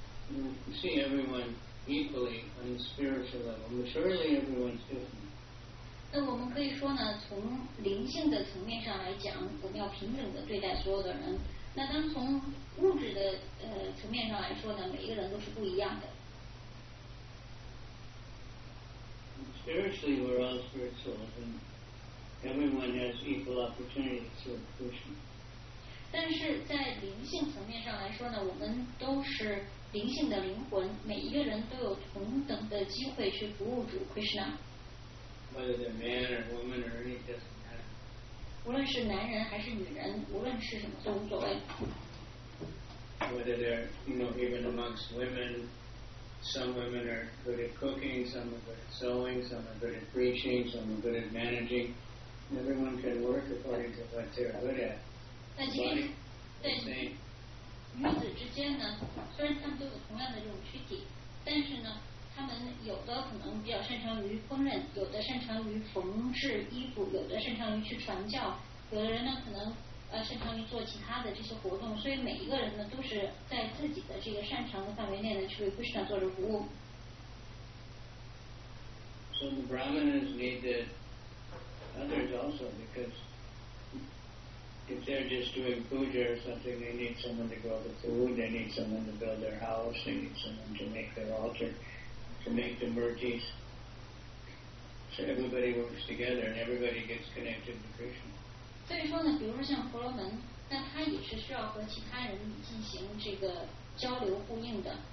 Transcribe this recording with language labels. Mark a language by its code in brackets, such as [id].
[en] We see everyone equally on the spiritual level, but surely everyone's different. [zh] 那我们可以说呢，从灵性的层面上来讲，我们要平等的对待所有的人。那当从物质的层面上来说呢，每一个人都是不一样的。 [en] Spiritually, we're all spiritual, and everyone has equal opportunity to serve Krishna. [zh] 但是在灵性层面上来说呢，我们都是灵性的灵魂，每一个人都有同等的机会去服务主 Krishna。 [en] Whether they're man or woman or any doesn't matter. [zh] 无论是男人还是女人，无论是什么都无所谓。 [en] Whether they're, you know, even amongst women, some women are good at cooking, some are good at sewing, some are good at preaching, some are good at managing. Everyone can work according to what they're good at. [zh] 但与子之间呢，虽然他们都有同样的这种躯体，但是呢，他们有的可能比较擅长于烹饪，有的擅长于缝制衣服，有的擅长于去传教，有的人呢可能擅长于做其他的这些活动。所以每一个人呢，都是在自己的这个擅长的范围内呢，去为Krishna做着服务。 [en] So the Brahmanas need the others also, because if they're just doing puja or something, they need someone to grow the food, they need someone to build their house, they need someone to make their altar, to make the murtis. So everybody works together and everybody gets connected to Krishna. [zh] 所以说呢，比如说像婆罗门，那他也是需要和其他人进行这个交流呼应的。